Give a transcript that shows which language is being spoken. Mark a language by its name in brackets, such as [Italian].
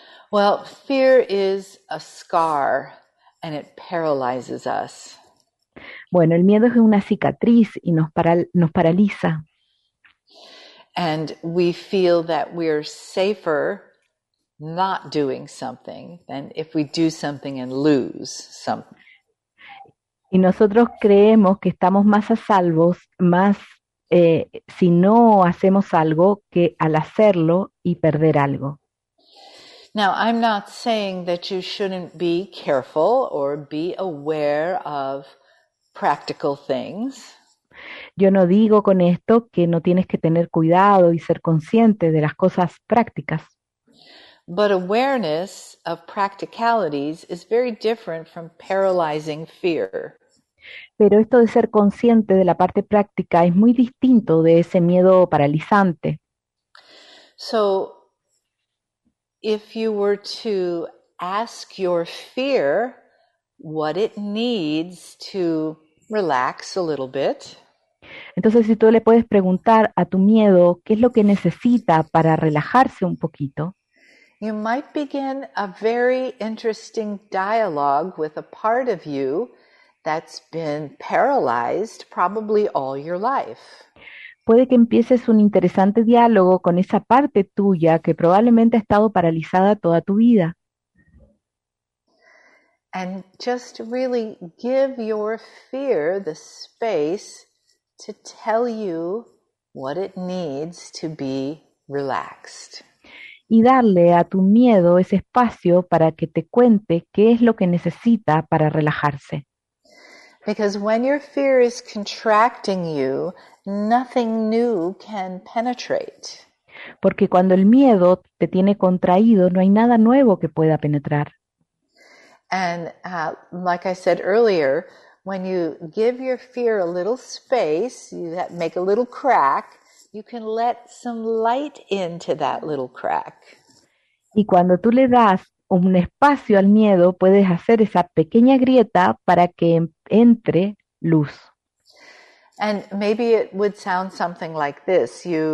[English] Well, fear is a scar and it paralyzes us. [Spanish] Bueno, el miedo es una cicatriz y nos paraliza. [English] And we feel that we're safer not doing something than if we do something and lose something. [Spanish] Y nosotros creemos que estamos más a salvo, más si no hacemos algo que al hacerlo y perder algo. [English] Now, I'm not saying that you shouldn't be careful or be aware of practical things. [Spanish] Yo no digo con esto que no tienes que tener cuidado y ser consciente de las cosas prácticas. [English] But awareness of practicalities is very different from paralyzing fear. [Spanish] Pero esto de ser consciente de la parte práctica es muy distinto de ese miedo paralizante. [English] So, if you were to ask your fear what it needs to relax a little bit. [Spanish] Entonces, si tú le puedes preguntar a tu miedo qué es lo que necesita para relajarse un poquito, [English] you might begin a very interesting dialogue with a part of you that's been paralyzed probably all your life. [Spanish] Puede que empieces un interesante diálogo con esa parte tuya que probablemente ha estado paralizada toda tu vida. [English] And just really give your fear the space to tell you what it needs to be relaxed. [Spanish] Y darle a tu miedo ese espacio para que te cuente qué es lo que necesita para relajarse. [English] Because when your fear is contracting you, nothing new can penetrate. [Spanish] Porque cuando el miedo te tiene contraído, no hay nada nuevo que pueda penetrar. [English] And like I said earlier, when you give your fear a little space, you make a little crack, you can let some light into that little crack. [Spanish] Y cuando tú le das un espacio al miedo, puedes hacer esa pequeña grieta para que entre luz. [English] And maybe it would sound something like this.